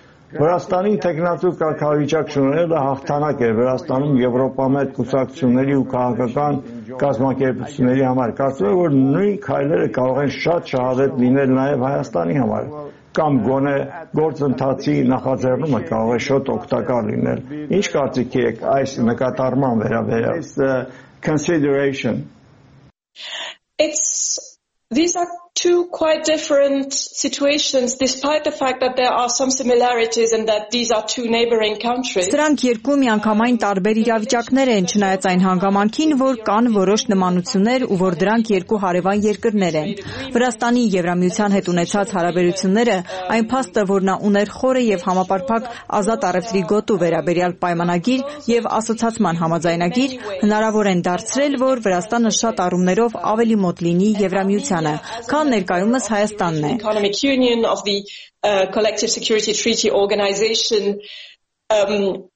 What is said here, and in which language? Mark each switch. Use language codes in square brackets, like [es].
[hy] Վրաստանի ինտեգրացու կարգավիճակ շնորհելը հաղթանակ է Վրաստանում Եվրոպամետ կուսակցությունների ու քաղաքական կազմակերպությունների համար։ Կարծում եմ, որ նույն քայլերը կարող են շատ շահավետ լինել նաև Հայաստանի համար, կամ գոնե գործընթացի նախաձեռնումը կարող է շատ օգտակար լինել։ Ինչ կարծիք եք այս նկատառման վերաբերյալ? [en] Consideration. These are two quite different situations, despite the fact that there are some similarities and that these are two neighboring countries. [hy] Սրանք երկու միանգամայն տարբեր իրավիճակներ են, չնայած այն հանգամանքին, որ կան որոշ նմանություններ ու որ դրանք երկու հարևան երկրներ են. Վրաստանի Եվրամիության հետ ունեցած հարաբերությունները, այն փաստը, որ նա ուներ խորը և համապարփակ ազատ առևտրի գոտու վերաբերյալ պայմանագիր և ասոցացման համաձայնագիր, հնարավոր են դարձրել, որ Վրաստանը շատ առումներով ավելի մոտ լինի Եվրամիության, քան ներկայումս Հայաստանն է։